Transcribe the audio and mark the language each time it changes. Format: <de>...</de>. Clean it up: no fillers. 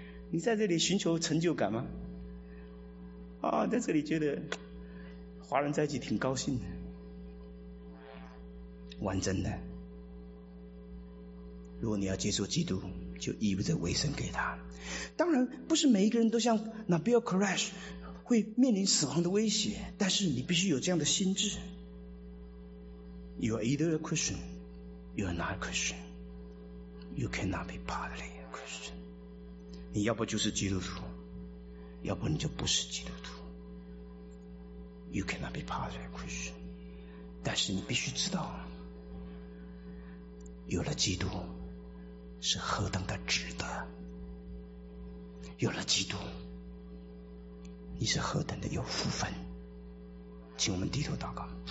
<zh>你在这里寻求成就感吗？啊，在这里觉得华人在一起挺高兴的，玩真的。如果你要接受基督，就意味着委身给他。当然，不是每一个人都像 Nabil Koresh 会面临死亡的威胁，但是你必须有这样的心智。</zh> <en>You are either a Christian, you are not a Christian. You cannot be partly a Christian.</en> <zh>你要不就是基督徒，要不你就不是基督徒。</zh> <en>You cannot be part of a Christian.</en> <zh>但是你必须知道，有了基督是何等的值得，有了基督你是何等的有福分。请我们低头祷告。</zh>